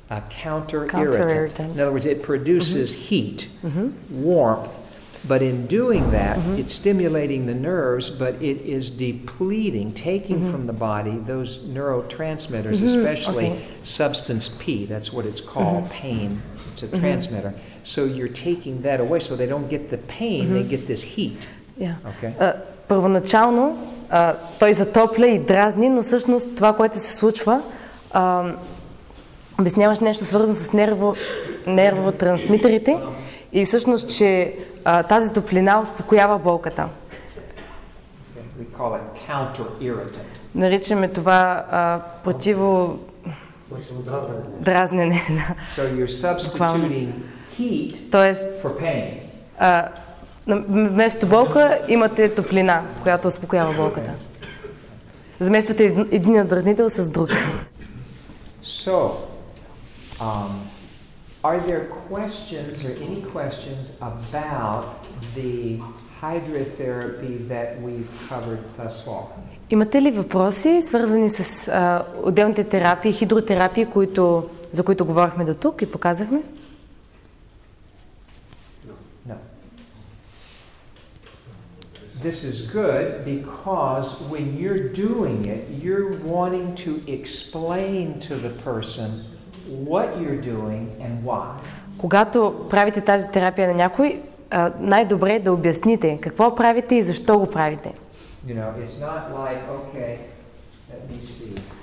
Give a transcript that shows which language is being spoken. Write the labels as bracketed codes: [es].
[en] a counter-irritant. In other words, it produces heat, warmth, but in doing that, it's stimulating the nerves, but it is depleting, taking from the body those neurotransmitters, especially substance P. That's what it's called, pain. It's a transmitter. So you're taking that away so they don't get the pain, they get this heat. Yeah. Okay. [bg] Първоначално той затопля и дразни, но всъщност това, което се случва, обясняваш нещо свързано с нервотрансмитерите и всъщност, че тази топлина успокоява болката. [en] we call it counter irritant. [bg] Наричаме това противо дразнене. [en] So you're substituting heat for pain. [bg] Вместо болка имате топлина, която успокоява болката. Замествате един дразнител с друг. [en] So, are there questions or any questions about the hydrotherapy that we've covered thus far? [bg] Имате ли въпроси, свързани с отделните терапии, хидротерапии, които, за които говорихме до тук и показахме? [en] This is good because when you're doing it, you're wanting to explain to the person what you're doing and why. [bg] Когато правите тази терапия на някой, най-добре е да обясните какво правите и защо го правите. [en] You know, it's not like, okay, let me see.